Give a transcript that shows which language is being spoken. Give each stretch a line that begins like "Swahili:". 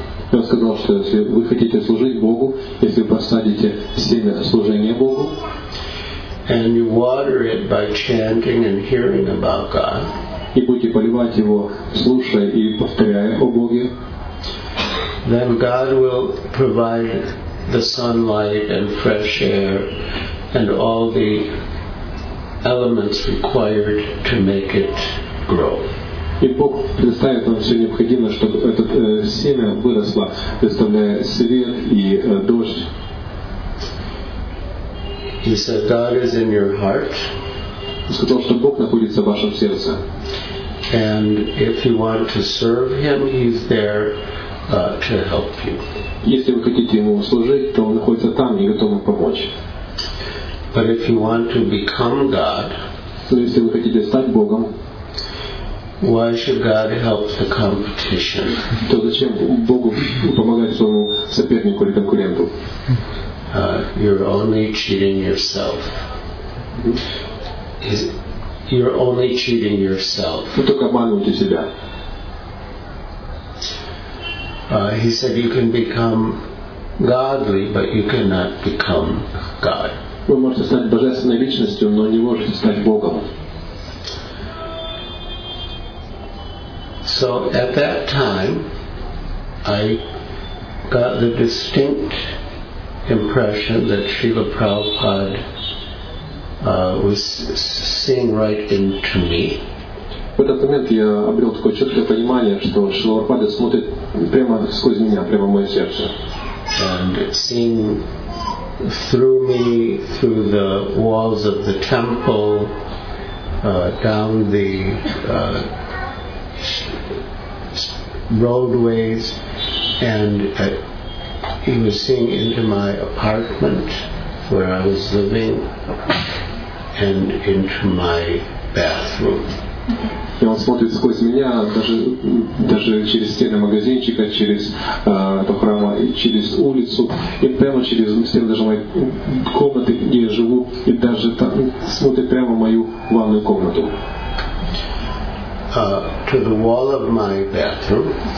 Russian: Я сказал, что если вы хотите служить Богу, если посадите семя служения Богу,
English: and you water it by chanting and hearing about God.
Russian: И будете поливать его, слушая и повторяя о Боге.
English: Then God will provide the sunlight and fresh air and all the elements required to make it grow.
Russian: И Бог предоставит вам все необходимое, чтобы это семя выросло, предоставляя свет и дождь.
English: He said, God is in your heart.
Russian: Он сказал, что Бог находится в вашем сердце.
English: And if you want to serve him, he's there to help you.
Russian: Если вы хотите ему служить, то он находится там и готов вам помочь.
English: But if you want to become God,
Russian: но если вы хотите стать Богом,
English: why should God help the competition?
Russian: То зачем Богу помогать своему сопернику или конкуренту?
English: You're only cheating yourself. You're only cheating yourself.
Russian: Вы только обманываете себя.
English: He said you can become godly, but you cannot become God.
Russian: Вы можете стать божественной личностью, но не можете стать Богом.
English: So at that time, I got the distinct impression that Srila Prabhupada was seeing right into me.
Russian: В этот момент я обрел такое четкое понимание, что Шрила Прабхупада смотрит прямо сквозь меня, прямо в мое сердце.
English: And seeing through me, through the walls of the temple, down the roadways, and he was seeing into my apartment where I was living, and into my bathroom.
Russian: И он смотрит сквозь меня, даже через стены магазинчика, через эту храму, и через улицу, и прямо через стены даже моей комнаты, где я живу, и даже там смотрит прямо в мою ванную комнату.
English: To the wall of my bathroom,